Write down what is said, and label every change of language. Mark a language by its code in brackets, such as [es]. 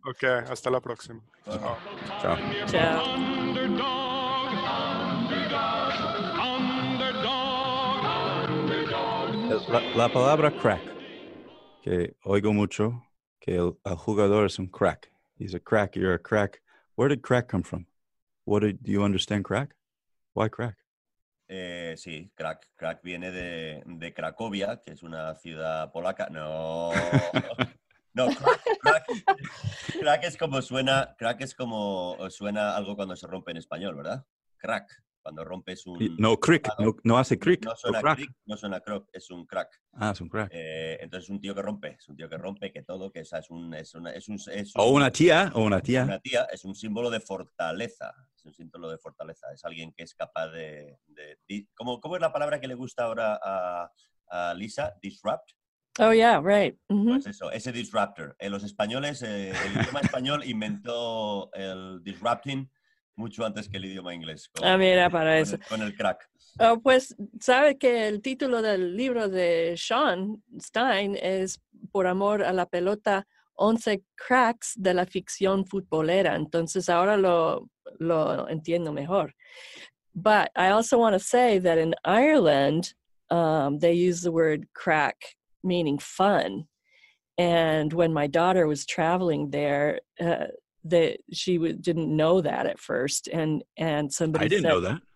[es] Okay, hasta la próxima. Ciao. La palabra crack, que oigo mucho, que el jugador es un crack. [en] He's a crack, you're a crack. Where did crack come from? Do you understand crack? Why crack? [es] Sí, crack. Crack viene de Cracovia, que es una ciudad polaca. No, no. Crack es como suena. Crack es como suena algo cuando se rompe en español, ¿verdad? Crack. Cuando rompes un. No, crick. No hace crick. No suena crick. No suena crock. Es un crack. Ah, es un crack. Entonces es un tío que rompe. Es un tío que rompe, que todo, que esa es un. O una tía. Una tía es un símbolo de fortaleza. Es un símbolo de fortaleza. Es alguien que es capaz de ¿Cómo es la palabra que le gusta ahora a Lisa? [en] Disrupt. Oh, yeah, right. [es] Mm-hmm. Pues eso, ese disruptor. Los españoles, el idioma español inventó el disrupting mucho antes que el idioma inglés. Con el crack. Oh, pues, ¿sabe que el título del libro de Sean Stein es Por amor a la pelota, 11 cracks de la ficción futbolera? Entonces, ahora lo entiendo mejor. [en] But I also want to say that in Ireland, they use the word crack, meaning fun. And when my daughter was traveling there, that she didn't know that at first. And somebody said... I didn't know that.